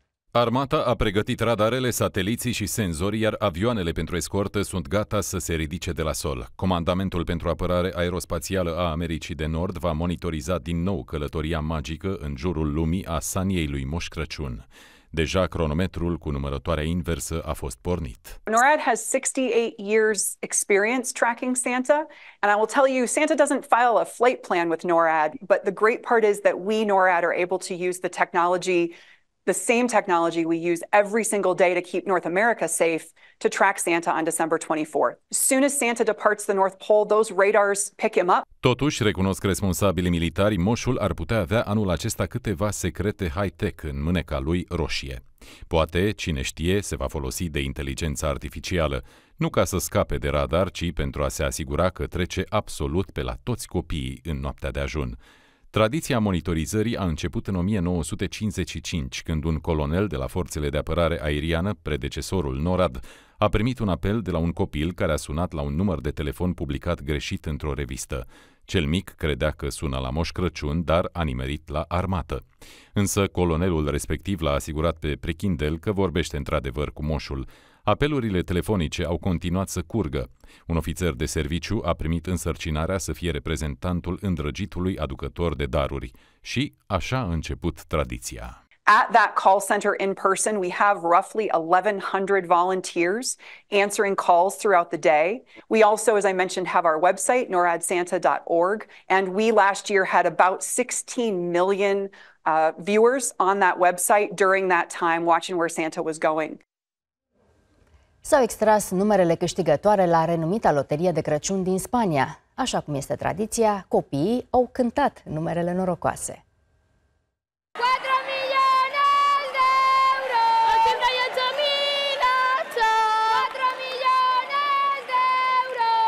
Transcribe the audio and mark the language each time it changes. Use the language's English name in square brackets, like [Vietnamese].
[Romanian] Armata a pregătit radarele, sateliții și senzorii, iar avioanele pentru escortă sunt gata să se ridice de la sol. Comandamentul pentru apărare aerospațială a Americii de Nord va monitoriza din nou călătoria magică în jurul lumii a saniei lui Moș Crăciun. Deja cronometrul cu numărătoarea inversă a fost pornit. [English] NORAD has 68 years experience tracking Santa, and I will tell you, Santa doesn't file a flight plan with NORAD, but the great part is that we NORAD are able to use the technology, the same technology we use every single day to keep North America safe, to track Santa on December 24. As soon as Santa departs the North Pole, those radars pick him up. [Romanian] Totuși, recunosc responsabilii militari, moșul ar putea avea anul acesta câteva secrete high-tech în mâneca lui roșie. Poate, cine știe, se va folosi de inteligența artificială, nu ca să scape de radar, ci pentru a se asigura că trece absolut pe la toți copiii în noaptea de ajun. Tradiția monitorizării a început în 1955, când un colonel de la Forțele de Apărare Aeriană, predecesorul NORAD, a primit un apel de la un copil care a sunat la un număr de telefon publicat greșit într-o revistă. Cel mic credea că sună la Moș Crăciun, dar a nimerit la armată. Însă colonelul respectiv l-a asigurat pe prechindel că vorbește într-adevăr cu moșul. Apelurile telefonice au continuat să curgă. Un ofițer de serviciu a primit însărcinarea să fie reprezentantul îndrăgitului aducător de daruri. Și așa a început tradiția. [English] At that call center in person, we have roughly 1,100 volunteers answering calls throughout the day. We also, as I mentioned, have our website, noradsanta.org, and we last year had about 16 million viewers on that website during that time watching where Santa was going. [Romanian] S-au extras numerele câștigătoare la renumita loterie de Crăciun din Spania. Așa cum este tradiția, copiii au cântat numerele norocoase. 4 milioane de euro! Acesta e țămilața! 4 milioane de euro!